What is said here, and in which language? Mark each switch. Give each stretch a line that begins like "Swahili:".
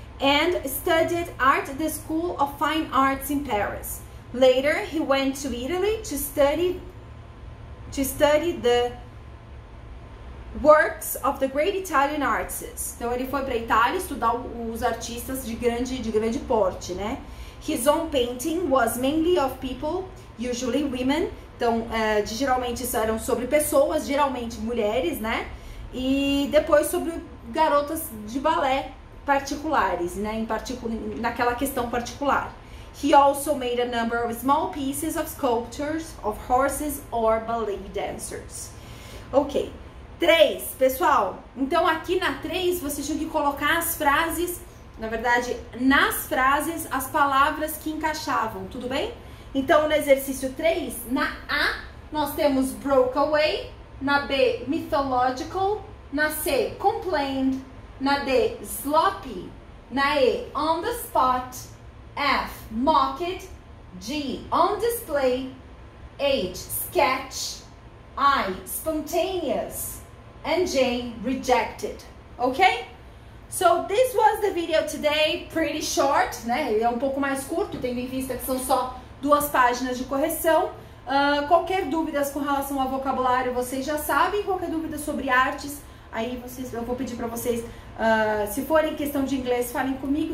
English: And studied art at the School of Fine Arts in Paris. Later, he went to Italy to study the works of the great Italian artists.
Portuguese: Então, ele foi para a Itália estudar os artistas de grande porte, né?
English: His own painting was mainly of people, usually women.
Portuguese: Então, geralmente, isso eram sobre pessoas, geralmente mulheres, né? E depois sobre garotas de balé particulares, né? Naquela questão particular.
English: He also made a number of small pieces of sculptures of horses or ballet dancers. Ok.
Portuguese: 3, pessoal. Então, aqui na 3, você tinha que colocar as frases, na verdade, nas frases, as palavras que encaixavam, tudo bem? Então, no exercício 3, na A, nós temos broke away, na B, mythological, na C, complained, na D, sloppy, na E, on the spot, F, mock it, G, on display, H, sketch, I, spontaneous, and J, rejected. Ok?
English: So, this was the video today, pretty short, né?
Portuguese: Ele é um pouco mais curto, tendo em vista que são só 2 páginas de correção. Qualquer dúvidas com relação ao vocabulário, vocês já sabem. Qualquer dúvida sobre artes, aí eu vou pedir para vocês, se forem questão de inglês, falem comigo.